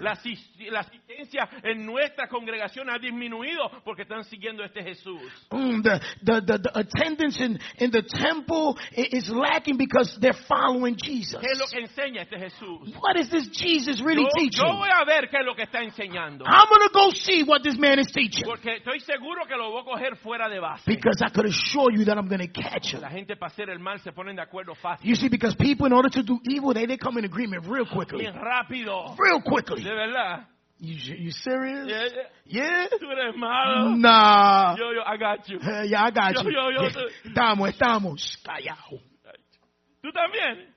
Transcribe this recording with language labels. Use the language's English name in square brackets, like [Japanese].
[Spanish] La asistencia en nuestra congregación ha disminuido porque están siguiendo este Jesús. [English] The attendance in the temple is lacking because they're following Jesus. [Spanish] ¿Qué es lo que enseña este Jesús? [English] What is this Jesus really teaching? [Spanish] Yo voy a ver qué es lo que está enseñando. [English] I'm going to go see what this man is teaching. [Spanish] Porque estoy seguro que lo voy a coger fuera de base. [English] Because I could assure you that I'm going to catch him. [Spanish] La gente para hacer el mal se ponen de acuerdo fácil. [English] You see, because people, in order to do evil, they come in agreement real quickly. Real quickly. [Spanish] De verdad. [English] You serious? Yeah. Yeah. [Spanish] Tú eres malo. [English] Nah. Yo, I got you. Yeah, I got yo, you. Yo, [Spanish] yeah. Estamos. Callao. Tú también.